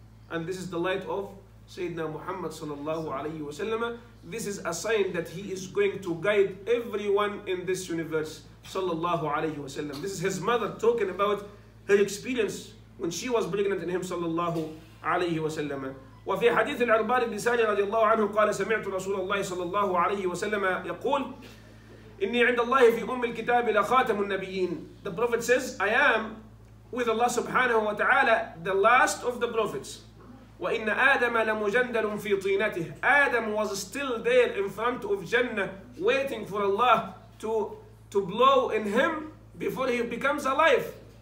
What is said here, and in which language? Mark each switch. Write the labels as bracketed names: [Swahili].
[English] And this is the light of Sayyidina Muhammad sallallahu alayhi wa sallam. This is a sign that he is going to guide everyone in this universe sallallahu alayhi wa sallam. This is his mother talking about her experience when she was pregnant in him sallallahu alayhi wa sallam. [Arabic] وفي حديث العرباني بن ساني رضي الله عنه قال سمعت رسول الله صلى الله عليه وسلم يقول إني عند الله في أم الكتاب لخاتم النبيين. [English] The prophet says, I am with Allah [Arabic] سبحانه وتعالى [English] the last of the prophets. [Arabic] وإن آدم لمجندل في طينته. [English] Adam was still there in front of Jannah waiting for Allah to blow in him before he becomes alive.